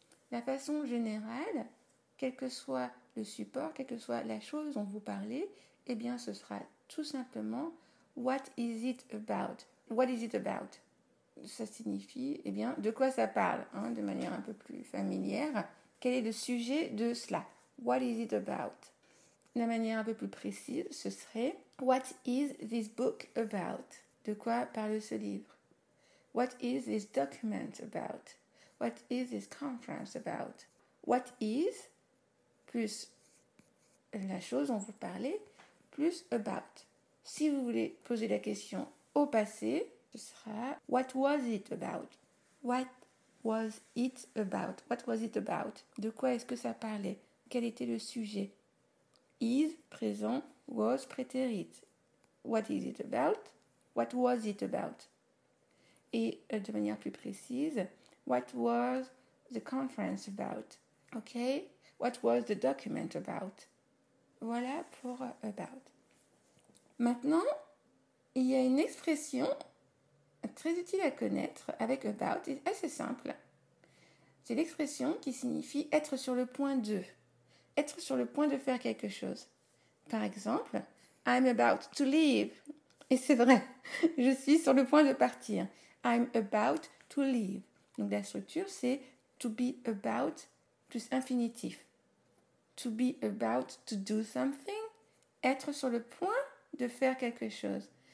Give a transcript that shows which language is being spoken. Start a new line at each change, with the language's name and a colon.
French: La façon générale, quel que soit le support, quelle que soit la chose dont vous parlez, eh bien ce sera tout simplement «
English: What is it about ?»«
French: What is it about ?» Ça signifie, eh bien, de quoi ça parle, hein, de manière un peu plus familière. Quel est le sujet de cela ?«
English: What is it about ?»
French: La manière un peu plus précise, ce serait «
English: What is this book about ?»
French: De quoi parle ce livre ?«
English: What is this document about ?» What is this conference about? What is,
French: plus la chose dont vous parlez, plus about. Si vous voulez poser la question au passé, ce sera
English: What was it about? What was it about? What was it about?
French: De quoi est-ce que ça parlait? Quel était le sujet? Is, présent, was, prétérit.
English: What is it about? What was it about?
French: Et de manière plus précise,
English: What was the conference about? Ok? What was the document about?
French: Voilà pour about. Maintenant, il y a une expression très utile à connaître avec about, et assez simple. C'est l'expression qui signifie être sur le point de. Être sur le point de faire quelque chose. Par exemple,
English: I'm about to leave.
French: Et c'est vrai, je suis sur le point de partir.
English: I'm about to leave.
French: Donc la structure c'est to be about plus infinitif.
English: To be about to do something,
French: être sur le point de faire quelque chose.